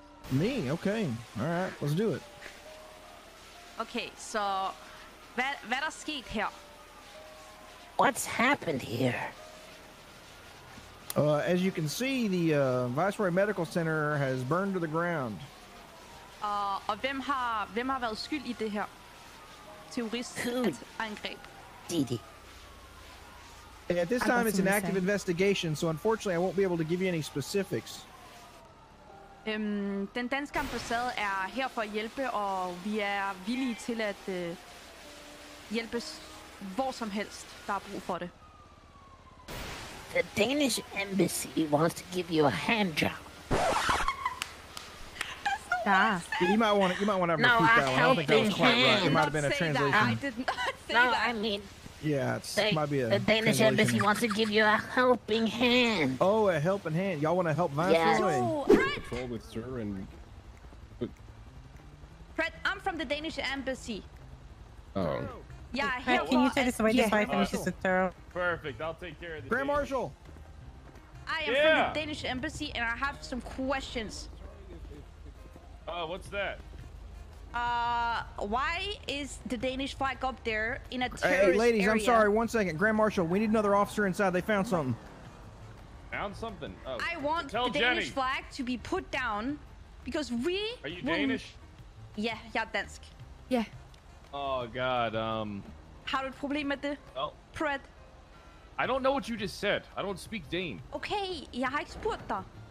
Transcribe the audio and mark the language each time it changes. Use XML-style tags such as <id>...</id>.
<en>Me? Okay. Alright, let's do it.</en> <da>Okay, så... Hvad er sket her?</da> <en>What's happened here? As you can see, the Viceroy Medical Center has burned to the ground.</en> <da>Og hvem har været skyld i det her terroristangreb?</da> <en>Didi. At this time it's an active investigation, so unfortunately I won't be able to give you any specifics.</en> <da>Den danske ambassade er her for at hjælpe, og vi er villige til at hjælpe hvor som helst, der er brug for det.</da> <en>The Danish embassy wants to give you a hand job. Yeah. You might want to repeat that one. I don't think that was quite right. It might have been a translation. That. I did not say no, that. I mean... Yeah, it might be a The Danish embassy wants to give you a helping hand. Oh, a helping hand. Y'all want to help Viceroy? Yeah. Control with sir and... Fred, I'm from the Danish embassy. Oh. Yeah, Fred, can you say this away just so I finish this thorough? Perfect, I'll take care of the Grand Marshal! I am from the Danish embassy and I have some questions. What's that? Why is the Danish flag up there in a terrorist area? Hey, ladies, area? I'm sorry. One second. Grand Marshal, we need another officer inside. They found something. Found something? Oh, I want tell the Jenny. Danish flag to be put down because we... Are you Danish? Yeah, dansk. Yeah. Oh, God.</en> <da>Har du et problem med det? Pred?</da> <en>I don't know what you just said. I don't speak Dane.</en> <da>Okay, jeg har ikke spurgt dig.</da>